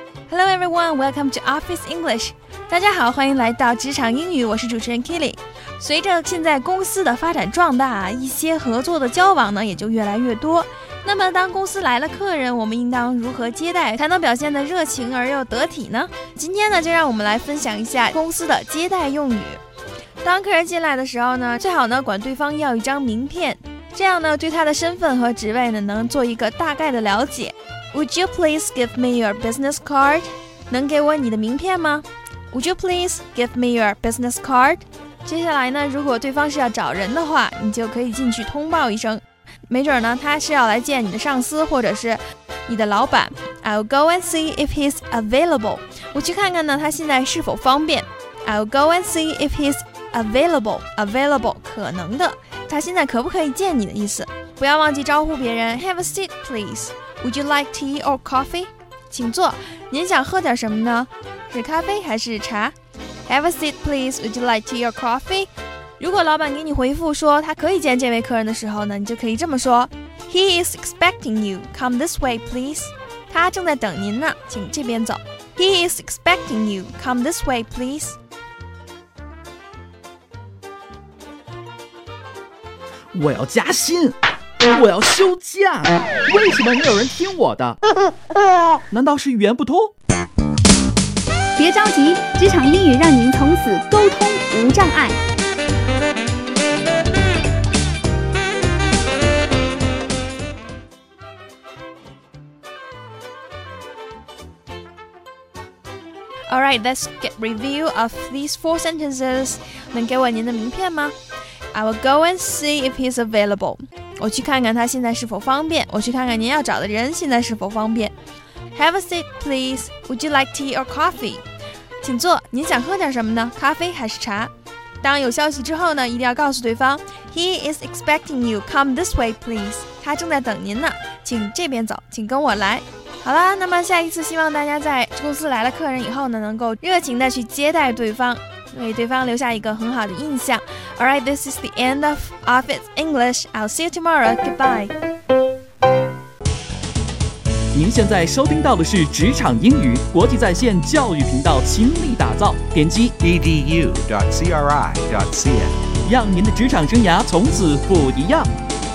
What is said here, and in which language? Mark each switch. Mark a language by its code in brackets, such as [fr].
[en] Hello everyone, welcome to Office English. [zh] 大家好，欢迎来到职场英语，我是主持人 Kelly。随着现在公司的发展壮大，一些合作的交往呢也就越来越多。那么当公司来了客人，我们应当如何接待才能表现得热情而又得体呢？今天呢就让我们来分享一下公司的接待用语。当客人进来的时候呢，最好呢管对方要一张名片，这样呢对他的身份和职位呢能做一个大概的了解。 [en] Would you please give me your business card? [zh] 能给我你的名片吗？ [en] Would you please give me your business card? [zh] 接下来呢，如果对方是要找人的话，你就可以进去通报一声，没准呢他是要来见你的上司或者是你的老板。 [en] I'll go and see if he's available. [zh] 我去看看呢他现在是否方便。 [en] I'll go and see if he'sAvailable, [zh] 可能的，他现在可不可以见你的意思。不要忘记招呼别人 [en] Have a seat please. Would you like tea or coffee? [zh] 请坐，您想喝点什么呢？是咖啡还是茶？ [en] Have a seat please. Would you like tea or coffee? [zh] 如果老板给你回复说他可以见这位客人的时候呢，你就可以这么说， [en] He is expecting you. Come this way please. [zh] 他正在等您呢，请这边走。 [en] He is expecting you. Come this way please. [zh] 我要加薪，我要休假，为什么没有人听我的？难道是语言不通？别着急，职场英语让您从此沟通无障碍。 [en] All right, let's get review of these four sentences. [zh] 能给我您的名片吗？ [en] I will go and see if he's available. [zh] 我去看看他现在是否方便。我去看看您要找的人现在是否方便。 [en] Have a seat, please. Would you like tea or coffee? [zh] 请坐，您想喝点什么呢？咖啡还是茶？当有消息之后呢，一定要告诉对方。 [en] He is expecting you. Come this way, please. [zh] 他正在等您呢，请这边走，请跟我来。好啦，那么下一次希望大家在公司来了客人以后呢，能够热情地去接待对方，为对方留下一个很好的印象。 [en] Alright, this is the end of Office English. I'll see you tomorrow. Goodbye. [zh] 您现在收听到的是职场英语国际在线教育频道倾力打造，点击 edu.cri.cn， 让您的职场生涯从此不一样。